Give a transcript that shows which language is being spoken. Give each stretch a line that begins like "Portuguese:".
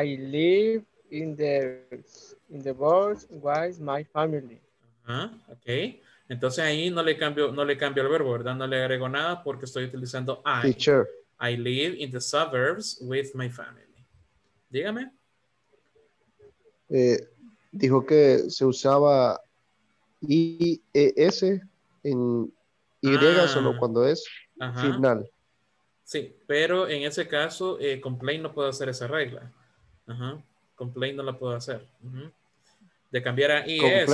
English: I live in the bus with my family. Uh-huh. Okay.
Spanish: Entonces ahí no le cambio el verbo, ¿verdad? No le agrego nada porque estoy utilizando I.
English: Teacher. I live in the suburbs with my family.
Spanish: Dígame. Dijo que se usaba IES en Y solo cuando es final. Sí, pero en ese caso, complain no puedo hacer esa regla. Ajá. Complain no la puedo hacer. Ajá. De cambiar a IES.